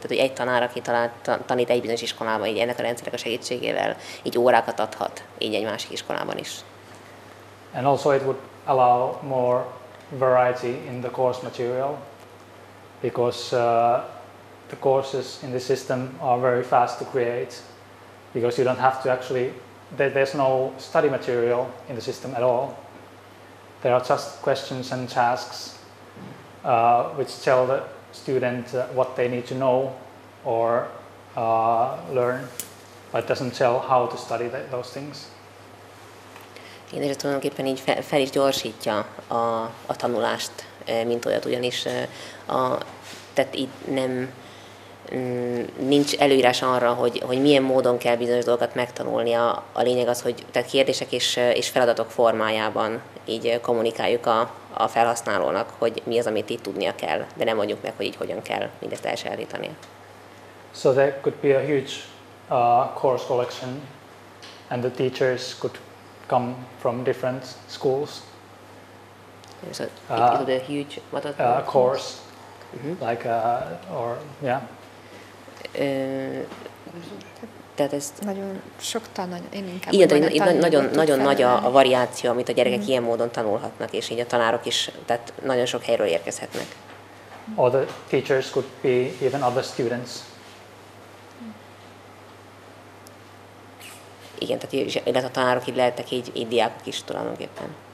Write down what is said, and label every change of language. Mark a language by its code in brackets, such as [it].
[hu] Tehát, hogy egy tanár, aki tanít egy bizonyos iskolában, így ennek a rendszerek a segítségével így órákat adhat így egy másik iskolában is. [en] And also it would allow more variety in the course material, because the courses in the system are very fast to create, because you don't have to actually, there's no study material in the system at all. There are just questions and tasks which tell the student what they need to know or learn. but doesn't tell how to study that, those things. [hu] Én is tulajdonképpen így fel is gyorsítja a tanulást, mint olyat, ugyanis tehát itt nem nincs előírás arra, hogy milyen módon kell bizonyos dolgokat megtanulni. A lényeg az, hogy tehát kérdések és feladatok formájában így kommunikáljuk a felhasználónak, hogy mi az, amit itt tudnia kell, de nem mondjuk meg, hogy így hogyan kell mindezt elsajátítania. [en] So there could be a huge course collection, and the teachers could come from different schools. There's a huge course. Mm-hmm. Like or yeah. [hu] Tehát ez nagyon sok tananyag, én inkább igen, nagyon nagy a variáció, amit a gyerekek mm-hmm. ilyen módon tanulhatnak, és így a tanárok is, tehát nagyon sok helyről érkezhetnek. [en] Or the teachers could be even other students. [hu] Igen, tehát illetve a tanárok így lehettek így diákok is tulajdonképpen.